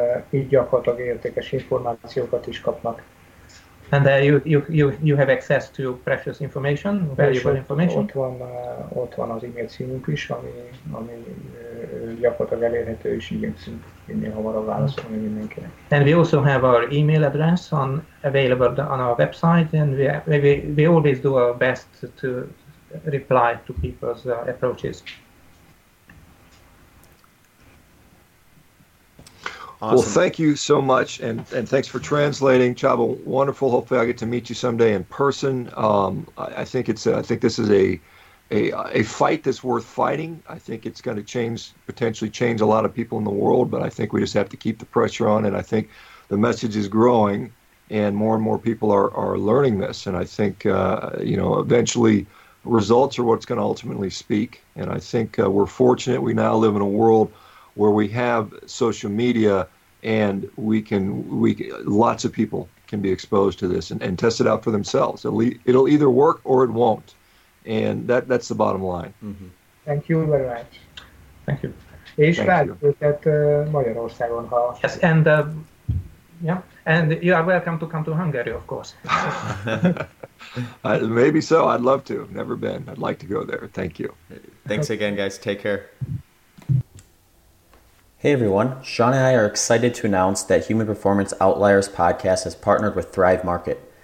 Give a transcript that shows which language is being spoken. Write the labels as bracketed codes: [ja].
[hu] Így gyakorlatilag értékes információkat is kapnak. [en] And there you have access to precious information, valuable information. [hu] Ott van az e-mail címünk is, ami gyakorlatilag elérhető, és igyekszünk minél hamarabb válaszolni mindenkinek. [en] And we also have our email address on available on our website, and we always do our best to reply to people's approaches. Awesome. Well, thank you so much, and thanks for translating, Chavo. Wonderful. Hopefully, I get to meet you someday in person. I think this is a fight that's worth fighting. I think it's going to potentially change a lot of people in the world, but I think we just have to keep the pressure on. And I think the message is growing, and more people are learning this. And I think eventually results are what's going to ultimately speak. And I think we're fortunate. We now live in a world where we have social media, and lots of people can be exposed to this and test it out for themselves. It'll either work or it won't, and that's the bottom line. Mm-hmm. Thank you very much. Thank you. [hu] És várjuk őket Magyarországon, ha. [en] Yes, and and you are welcome to come to Hungary, of course. Maybe so. I'd love to. Never been. I'd like to go there. Thank you. Thanks again, guys. Take care. Hey everyone, Sean and I are excited to announce that Human Performance Outliers podcast has partnered with Thrive Market.